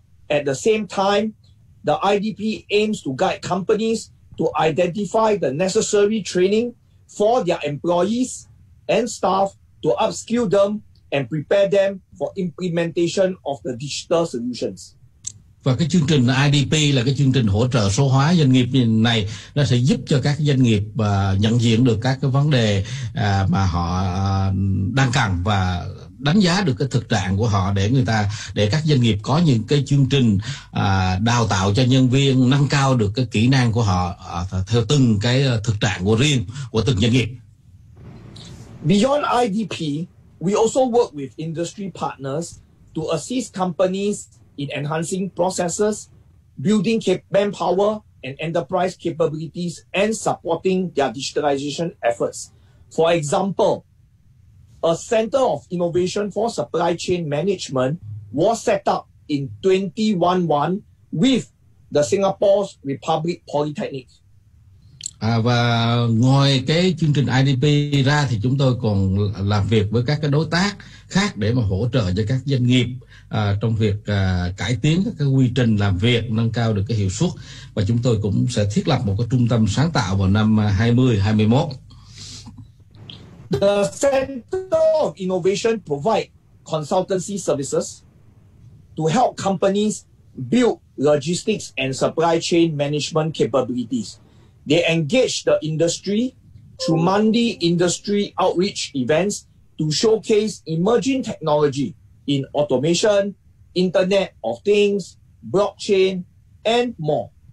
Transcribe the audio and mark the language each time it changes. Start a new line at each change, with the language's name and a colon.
English: At the same time, the IDP aims to guide companies to identify the necessary training for their employees and staff to upskill them and prepare them for implementation of the digital solutions.
Vietnamese: Và cái chương trình IDP là cái chương trình hỗ trợ số hóa doanh nghiệp này, nó sẽ giúp cho các doanh nghiệp nhận diện được các cái vấn đề mà họ đang cần và đánh giá được cái thực trạng của họ để người ta, để các doanh nghiệp có những cái chương trình đào tạo cho nhân viên, nâng cao được cái kỹ năng của họ theo từng cái thực trạng của riêng của từng doanh nghiệp.
English: Beyond IDP, we also work with industry partners to assist companies in enhancing processes, building manpower and enterprise capabilities, and supporting their digitalization efforts. For example, a Center of Innovation for Supply Chain Management was set up in 2011 with the Singapore's Republic Polytechnic.
Vietnamese: Và ngoài cái chương trình IDP ra thì chúng tôi còn làm việc với các cái đối tác khác để mà hỗ trợ cho các doanh nghiệp trong việc cải tiến các cái quy trình làm việc, nâng cao được cái hiệu suất, và chúng tôi cũng sẽ thiết lập một cái trung tâm sáng tạo vào năm 2021.
English: The Center of Innovation provide consultancy services to help companies build logistics and supply chain management capabilities. They engage the industry through monthly industry outreach events to showcase emerging technology in automation, Internet of Things, blockchain, and more.